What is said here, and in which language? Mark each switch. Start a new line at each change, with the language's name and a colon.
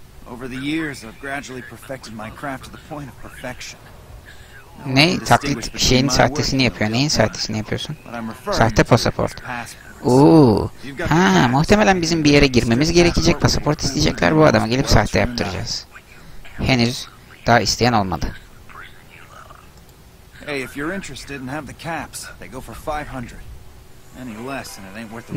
English: Over the years I've gradually perfected my craft to the point of perfection.
Turkish: Ne taklit şeyin sahtesini yapıyor. Neyin sahtesini yapıyorsun? Sahte pasaport. Oo. Ha, muhtemelen bizim bir yere girmemiz gerekecek. Pasaport isteyecekler, bu adama gelip sahte yaptıracağız. Henüz daha isteyen olmadı.
English: Hey, if you're interested and have the caps, they go for 500. Any less and it ain't worth it.